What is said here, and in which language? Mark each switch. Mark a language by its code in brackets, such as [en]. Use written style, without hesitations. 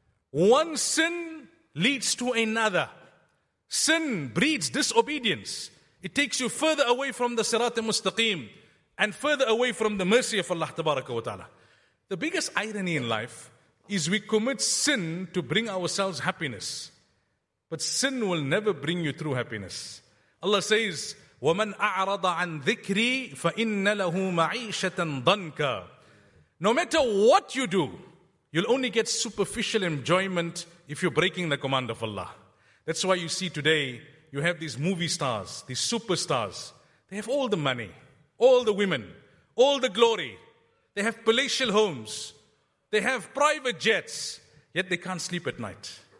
[en] One sin leads to another. Sin breeds disobedience. It takes you further away from the Sirat al-Mustaqim and further away from the mercy of Allah tabaraka wa ta'ala. The biggest irony in life is we commit sin to bring ourselves happiness. But sin will never bring you true happiness. [ar] Allah says, وَمَنْ أَعْرَضَ عَنْ ذِكْرِي فَإِنَّ لَهُ مَعِيشَةً ضَنْكَ. [en] No matter what you do, you'll only get superficial enjoyment if you're breaking the command of Allah. That's why you see today, you have these movie stars, these superstars. They have all the money, all the women, all the glory. They have palatial homes. They have private jets, yet they can't sleep at night.